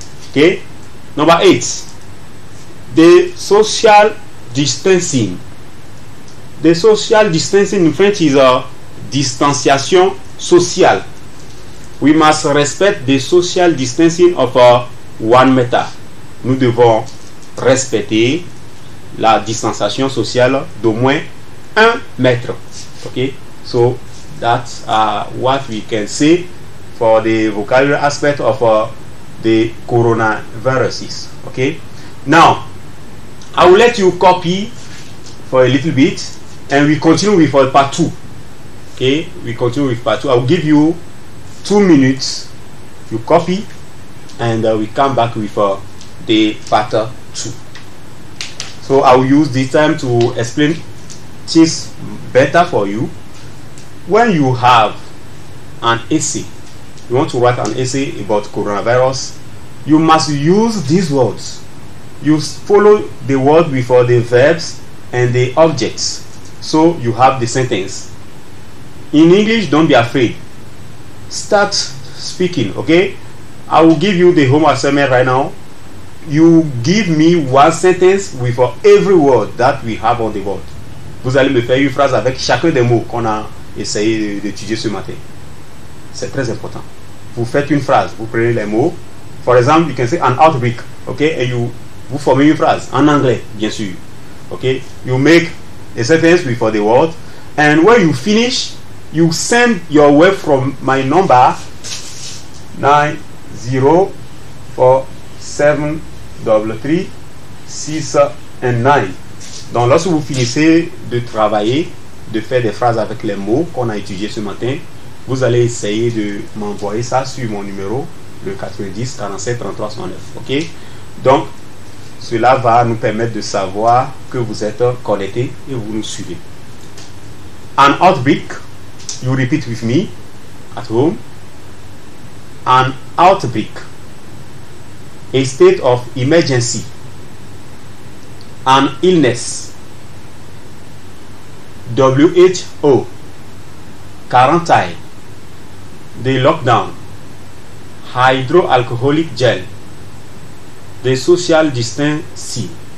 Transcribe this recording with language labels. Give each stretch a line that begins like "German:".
English: Okay, number 8, the social distancing in French is a
French: distanciation sociale.
English: We must respect the social distancing of 1 meter.
French: Nous devons respecter la distanciation sociale d'au moins 1 mètre. Okay?
English: So that's what we can say for the vocabulary aspect of the coronaviruses. Okay, now I will let you copy for a little bit and we continue with part two. Okay, we continue with part two. I'll give you 2 minutes, you copy, and we come back with the part two. So I will use this time to explain things better for you. When you have an essay, you want to write an essay about coronavirus, you must use these words. You follow the word before the verbs and the objects, so you have the sentence. In English, don't be afraid. Start speaking, okay? I will give you the home assignment right now. You give me one sentence with every word that we have on the board.
French: Vous allez me faire une phrase avec chacun des mots qu'on a essayé d'étudier ce matin. C'est très important. Vous faites une phrase, vous prenez les mots. For example, you can say an outbreak, okay? And you vous formez une phrase en anglais, bien sûr. Okay? You make a sentence before the word. And when you finish, you send your work from my number 9047336 and 9. Donc lorsque vous finissez de travailler, de faire des phrases avec les mots qu'on a étudiés ce matin, vous allez essayer de m'envoyer ça sur mon numéro, le 90 47 33 69. Ok, donc cela va nous permettre de savoir que vous êtes connecté et vous nous suivez.
English: An outbreak, you repeat with me at home. An outbreak, a state of emergency. An illness, WHO, quarantine, the lockdown, hydroalcoholic gel, the social distancing.